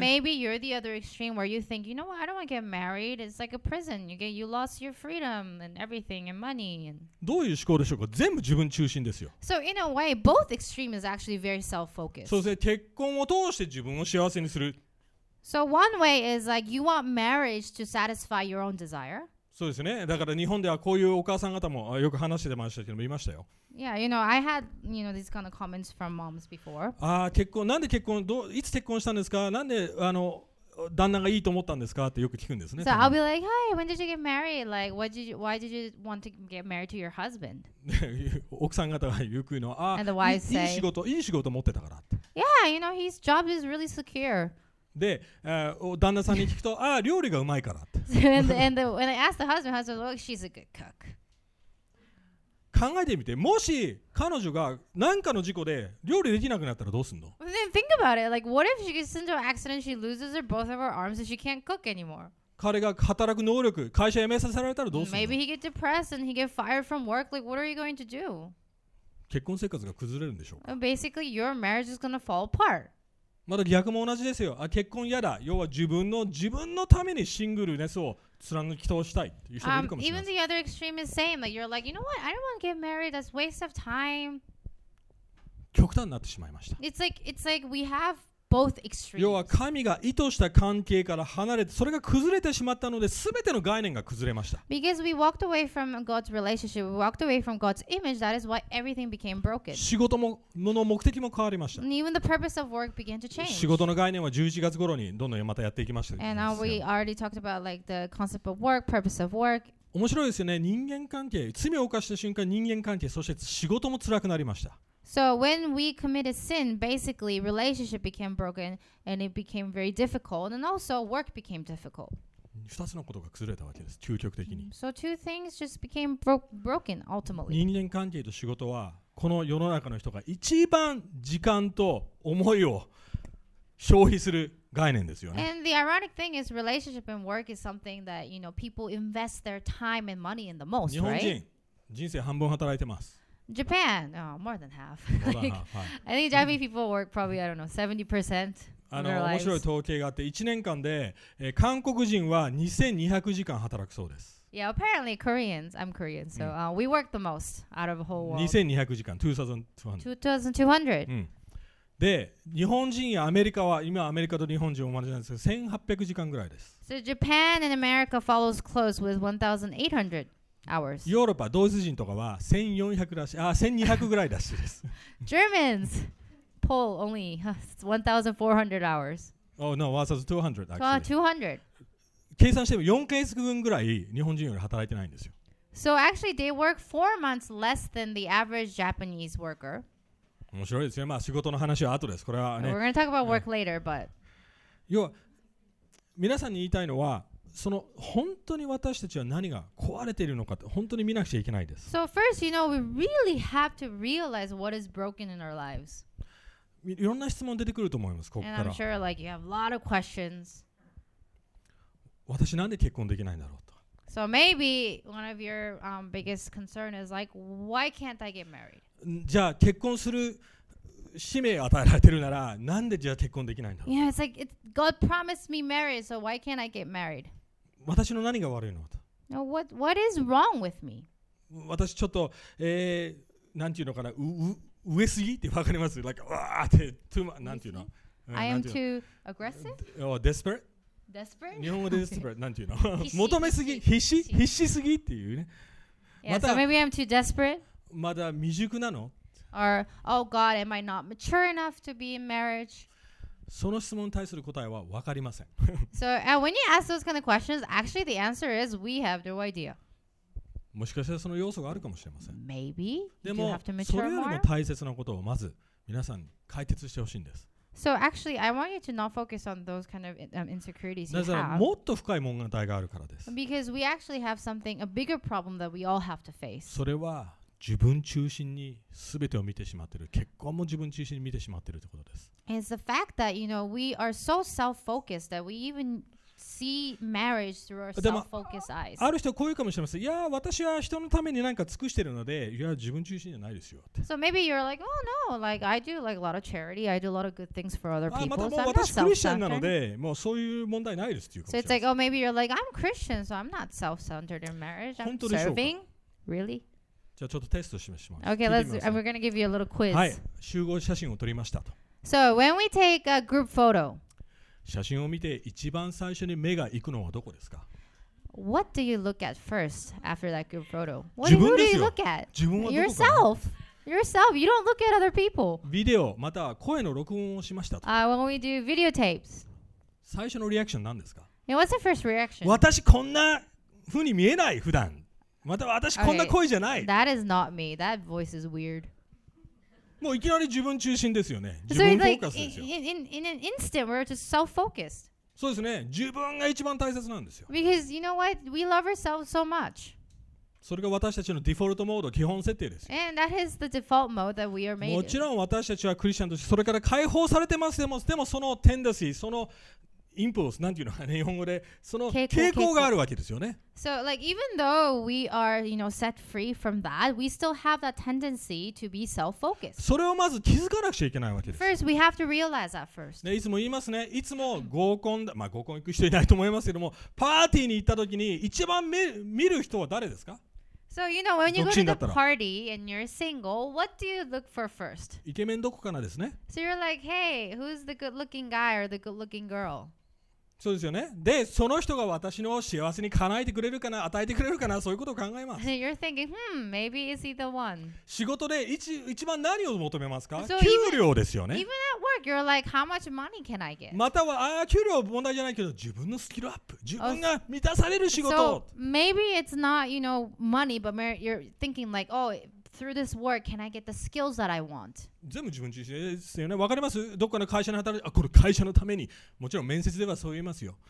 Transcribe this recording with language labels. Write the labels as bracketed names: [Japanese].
[English] So maybe you're the other extreme where you think, you know what? I don't want to get married. It's like a prison. You lost your freedom and everything and money. [Japanese] どういう思考でしょうか？全部自分中心ですよ。 [English] So in a way, both extreme is actually very self-focused. [Japanese] そうですね。結婚を通して自分を幸せにする。 [English] So one way is like you want marriage to satisfy your own desire. [Japanese] そうですね。だから日本ではこういうお母さん方もよく話してましたけども、いましたよ。 [English] Yeah, you know, I had, you know, these kind of comments from moms before. [Japanese] 結婚、なんで結婚、いつ結婚したんですか？なんで、旦那がいいと思ったんですかってよく聞くんですね。 [English] So I'll be like, hi, when did you get married? Like, why did you want to get married to your husband? [Japanese] 奥さん方がよく言うのは、 [English] And the wives say, [Japanese] いい仕事持ってたからって。 [English] Yeah, you know, his job is really secure. [Japanese] で、旦那さんに聞くと、料理がうまいからって。 [English] and when I asked the husband, I said, well, she's a good cook. [Japanese] 考えてみて、もし彼女が何かの事故で料理できなくなったらどうすんの？ [English] Well, then think about it. Like, what if she gets into an accident, she loses both of her arms and she can't cook anymore? [Japanese] 彼が働く能力、会社辞めさせられたらどうすんの？ [English] Maybe he gets depressed and he gets fired from work. Like, what are you going to do? [Japanese] 結婚生活が崩れるんでしょうか？ [English] Basically, your marriage is going to fall apart. [Japanese] まだ逆も同じですよ。結婚嫌だ。要は自分のためにシングルネスを貫き通したいっていう人もいるかもしれません。 [English] Even the other extreme is same. Like you're like, you know what? I don't want to get married. That's a waste of time. [Japanese] 極端になってしまいました。 [English] It's like we have both extremes. [Japanese] 要は神が意図した関係から離れて、それが崩れてしまったので、すべての概念が崩れました。 [English] Because we walked away from God's relationship, we walked away from God's image. That is why everything became broken. [Japanese] 仕事もの目的も変わりました。 [English] And even the purpose of work began to change. [Japanese] 仕事の概念は11月頃にどんどんまたやっていきました。 [English] And now we already talked about like the concept of work, purpose of work. [Japanese] 面白いですよね。人間関係、罪を犯した瞬間、人間関係、そして仕事も辛くなりました。 [English] So when we committed sin, basically relationship became broken and it became very difficult and also work became difficult. [Japanese] 二つのことが崩れたわけです。究極的に。 [English] So two things just became broken ultimately. [Japanese] 人間関係と仕事はこの世の中の人が一番時間と思いを消費する概念ですよね。 [English] And the ironic thing is relationship and work is something that, you know, people invest their time and money in the most, right? [Japanese] 日本人、人生半分働いてます。 [English] Japan, oh, more than half. I think Japanese people work probably, I don't know, 70% in their lives. [Japanese] 面白い統計があって、1年間で、韓国人は2200時間働くそうです。 [English] Yeah, apparently Koreans, I'm Korean, so we work the most out of the whole world. [Japanese] 2200時間、 [English] 2200. [Japanese] で、日本人やアメリカは、今アメリカと日本人は同じなんですけど、1800時間ぐらいです。 [English] So Japan and America follows close with 1800 hours. [Japanese] ヨーロッパ、ドイツ人とかは1400らしい、1200ぐらいらしいです。 [English] Germans, Pole only, 1400 hours. Oh no, versus 200 actually. 200. [Japanese] 計算しても4ヶ月分ぐらい日本人より働いてないんですよ。 [English] So actually they work 4 months less than the average Japanese worker. [Japanese] 面白いですね。まあ仕事の話は後です。これはね。 [English] We're going to talk about work later, but... [Japanese] 要は、皆さんに言いたいのは、その本当に私たちは何が壊れているのかって本当に見なくちゃいけないです。 [English] So first, you know, we really have to realize what is broken in our lives. [Japanese] いろんな質問出てくると思います、ここから。 [English] And I'm sure, like, you have a lot of questions. [Japanese] 私なんで結婚できないんだろうと。 [English] So maybe one of your biggest concern is like, why can't I get married? [Japanese] じゃあ結婚する使命を与えられてるならなんでじゃあ結婚できないんだろう。 [English] Yeah, it's like, it's God promised me marriage, so why can't I get married? [Japanese] 私の何が悪いのと。 [English] Now what is wrong with me? [Japanese] 私ちょっと、なんていうのかな、植えすぎってわかります like, わーって、 [English] too much, [Japanese] なんていうの。 [English] I am too aggressive? Or desperate? Desperate? [Japanese] 日本語で desperate なんていうの求めすぎ必死すぎっていうね。 [English] Yeah, so maybe I'm too desperate. [Japanese] まだ未熟なの [English] Or, oh God, am I not mature enough to be in marriage? [Japanese] その質問に対する答えは分かりません。 [English] So, when you ask those kind of questions, actually the answer is we have no idea. [Japanese] もしかしたらその要素があるかもしれません。 [English] Maybe? [Japanese] でも、それよりも大切なことをまず皆さんに解決してほしいんです。 [English] So actually, I want you to not focus on those kind of insecurities you have. [Japanese] もっと深い問題があるからです。 [English] Because we actually have something, a bigger problem that we all have to face. [Japanese] それは自分中心に全てを見てしまっている。結婚も自分中心に見てしまっているということです。 [English] It's the fact that, you know, we are so self-focused that we even see marriage through our self-focused eyes. [Japanese] ある人はこう言うかもしれません。いや、私は人のために何か尽くしているので、いや、自分中心じゃないですよ。 [English] So maybe you're like, oh no, like I do like a lot of charity, I do a lot of good things for other people. [Japanese] またもう私クリスチャンなので、もうそういう問題ないですっていうかもしれません。 [English] So it's like, oh maybe you're like, I'm Christian, so I'm not self-centered in marriage, I'm serving. Really? [Japanese] じゃあちょっとテストしましょ [English] う。Okay, let's. We're gonna give you a little quiz. [Japanese] はい、集合写真を撮りましたと。 [English] So when we take a group photo, [Japanese] 写真を見て一番最初に目が行くのはどこですか [English] ？What do you look at first after that group photo? What [Japanese] 自分ですよ。 [English] Who do you look at? [Japanese] 自分はどこか。 [English] Yourself. Yourself. You don't look at other people. [Japanese] ビデオまたは声の録音をしましたと。 [English] When we do videotapes, [Japanese] 最初のリアクション何ですか [English] ？Yeah, what's the first reaction? [Japanese] 私こんな風に見えない普段。または私こんな声じゃない。 [English] Okay. That is not me. That voice is weird. [Japanese] もういきなり自分中心ですよね。 [English] So、 [Japanese] 自分フォーカスですよ。 [English] Like, in an instant, we're just self-focused. [Japanese] そうですね。自分が一番大切なんですよ。 [English] Because you know what? We love ourselves so much. [Japanese] それが私たちのデフォルトモード、基本設定です。 [English] And that is the default mode that we are made in. [Japanese] もちろん私たちはクリスチャンとして、それから解放されてますでもそのテンダシー、そのインポルス、なんていうのかね、日本語で、その傾向があるわけですよね。 [English] So, like, even though we are, you know, set free from that, we still have that tendency to be self-focused. [Japanese] それをまず気づかなくちゃいけないわけです。 [English] First, we have to realize that first. [Japanese] ね、いつも言いますね、いつも合コンだ、まあ合コン行く人いないと思いますけども、パーティーに行った時に一番見る人は誰ですか？ [English] So, you know, when you go to the party and you're single, what do you look for first? [Japanese] イケメンどこかなですね。 [English] So you're like, hey, who's the good-looking guy or the good-looking girl? [Japanese] そうですよね。で、その人が私の幸せに叶えてくれるかな、与えてくれるかな、そういうことを考えます。 [English] You're thinking, maybe is he the one? [Japanese] 仕事で一番何を求めますか？ [English] So、 [Japanese] 給料ですよね。 [English] Even at work, you're like, how much money can I get? [Japanese] または、給料問題じゃないけど、自分のスキルアップ、自分が満たされる仕事。 [English] So maybe it's not, you know, money, but you're thinking like, oh, through this work, can I get the skills that I want? [Japanese] 全部自分自身ですよね。わかります？どっかの会社に働いて、これ会社のために、もちろん面接ではそう言いますよ。